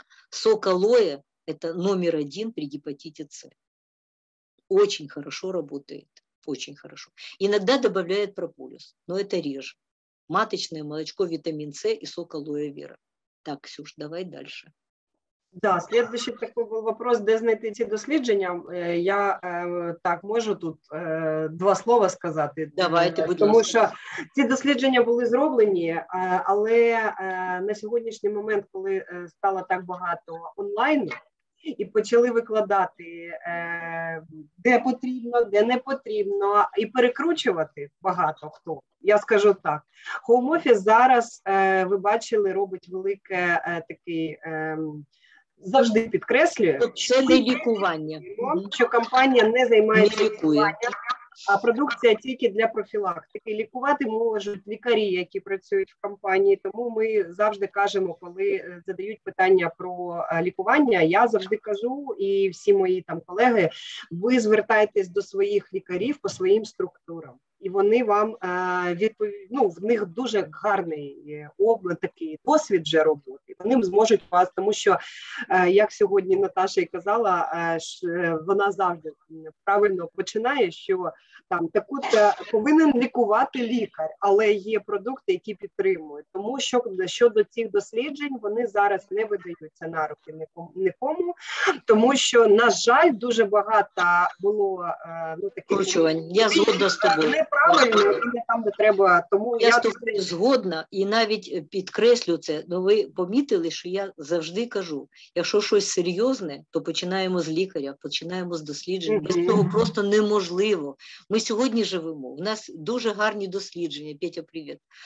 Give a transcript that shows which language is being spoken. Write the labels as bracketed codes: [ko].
[ru] Сок алоэ – это номер один при гепатите С. Очень хорошо работает, очень хорошо. Иногда добавляют прополис, но это реже. Маточное молочко, витамин С и сок алоэ вера. Так, Ксюш, давай дальше. Да, следующий такой был вопрос, где [uk] знайти дослідження. Я так можу тут 2 слова сказати. Давайте, будь ласка. Тому що ці дослідження були зроблені, але на сьогоднішній момент, коли стало так багато онлайн, і почали викладати, де потрібно, де не потрібно, і перекручувати багато хто. Я скажу так. Home office зараз, ви бачили, робить велике такий, завжди підкреслює. Це не лікування. Що компанія не займається лікуванням, а продукція тільки для профілактики. Лікувати можуть лікарі, які працюють в компанії. Тому ми завжди кажемо, коли задають питання про лікування, я завжди кажу, і всі мої там колеги, ви звертайтесь до своїх лікарів по своїм структурам. І вони вам відповідають, в них дуже гарний такий досвід вже роботи. Вони зможуть вас, тому що, як сьогодні Наташа і казала, вона завжди правильно починає, що там таку-то повинен лікувати лікар, але є продукти, які підтримують. Тому що щодо цих досліджень, вони зараз не видаються на руки нікому, тому що, на жаль, дуже багато було таких... Вручувань, я згодна з тобою. Правильно, там не треба, тому я згодна і навіть підкреслю це. Ну, ви помітили, що я завжди кажу, якщо щось серйозне, то починаємо з лікаря, починаємо з досліджень. Без того просто неможливо. Ми сьогодні живемо, в нас дуже гарні дослідження, Петя, привіт.